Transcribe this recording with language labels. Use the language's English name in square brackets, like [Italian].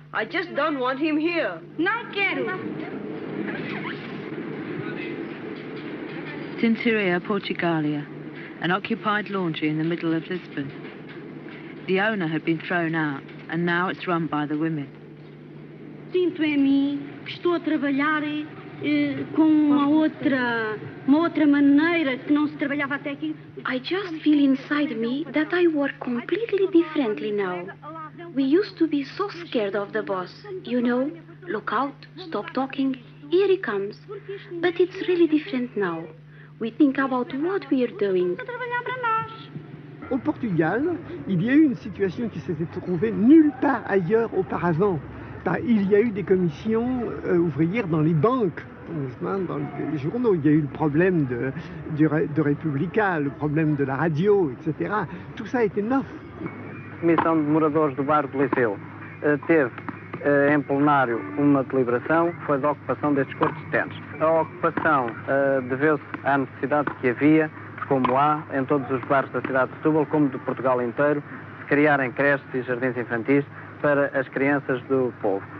[English] I just don't want him here. [Portuguese] Não quero. [English] Cinturia Portugalia, an occupied laundry in the middle of Lisbon. The owner had been thrown out, and now it's run by the women. [Portuguese] Sinto em mim que estou a trabalhar com uma outra maneira que não se trabalhava até aqui. [English] I just feel inside me that I work completely differently now. We used to be so scared of the boss, you know, look out, stop talking, here he comes. But it's really different now. We think about what we are doing. [French] Au Portugal, il y a eu une situation qui s'était trouvée nulle part ailleurs auparavant. Bah, il y a eu des commissions ouvrières dans les banques, dans les journaux. Il y a eu le problème de Republica, le problème de la radio, etc. Tout ça était neuf. La commission de [Portuguese] moradores du bairro do Liceu teve em plenário uma deliberação, foi da ocupação destes corpos de tênis. A ocupação deveu-se à necessidade que havia, como há em todos os bairros da cidade de Setúbal, como de Portugal inteiro, de criarem creches e jardins infantis para as crianças do povo.